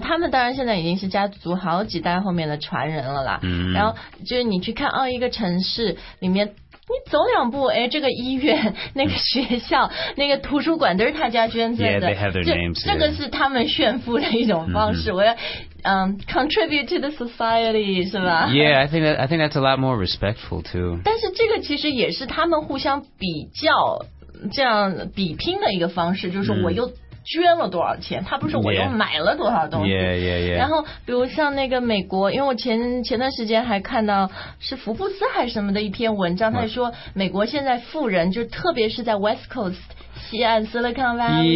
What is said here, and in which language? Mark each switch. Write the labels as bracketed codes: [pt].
[zh] 他们当然现在已经是家族好几代后面的传人了啦。 Mm. 然后就是你去看哦，一个城市里面。你走两步，哎，这个医院、那个学校、那个图书馆都是他家捐赠的。 [en] Yeah, they have their names. [zh] 这个是他们炫富的一种方式。 Mm-hmm. 我要 [en] contribute to the society， [zh] 是吧 [en] ？Yeah, I think that's a lot more respectful too. [zh] 但是这个其实也是他们互相比较，这样比拼的一个方式，就是我又。捐了多少钱？他不是我又买了多少东西。 [en] Yeah, yeah, yeah. [zh] 然后，比如像那个美国，因为我前段时间还看到是福布斯还是什么的一篇文章，他说美国现在富人就特别是在 West Coast 西岸 Silicon Valley。